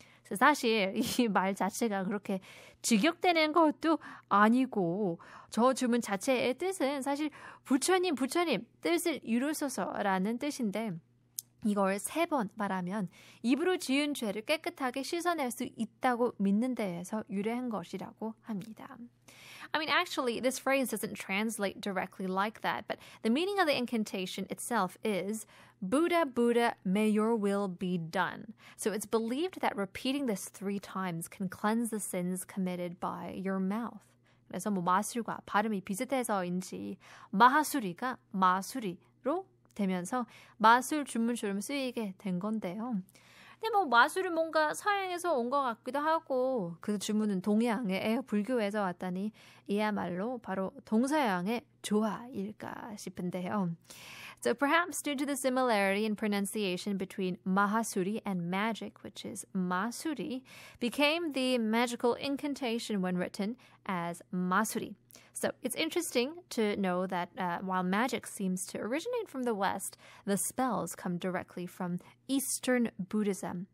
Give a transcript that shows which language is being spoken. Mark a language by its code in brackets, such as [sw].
[ko] 사실 이 말 자체가 그렇게 직역되는 것도 아니고 저 주문 자체의 뜻은 사실 부처님 부처님 뜻을 이루소서라는 뜻인데 이걸 세 번 말하면 입으로 지은 죄를 깨끗하게 씻어낼 수 있다고 믿는 데에서 유래한 것이라고 합니다. [en] I mean, actually, this phrase doesn't translate directly like that, but the meaning of the incantation itself is Buddha, Buddha, may your will be done. So it's believed that repeating this three times can cleanse the sins committed by your mouth. [ko] 그래서 뭐 마술과 발음이 비슷해서인지 마하수리가 마술이로 되면서 마술 주문처럼 쓰이게 된 건데요. 근데 뭐 마술은 뭔가 서양에서 온 것 같기도 하고 그 주문은 동양의 불교에서 왔다니 이야말로 바로 동서양의 조화일까 싶은데요. [en] So perhaps due to the similarity in pronunciation between mahasuri and magic, which is masuri, became the magical incantation when written as masuri. So it's interesting to know that while magic seems to originate from the West, the spells come directly from Eastern Buddhism.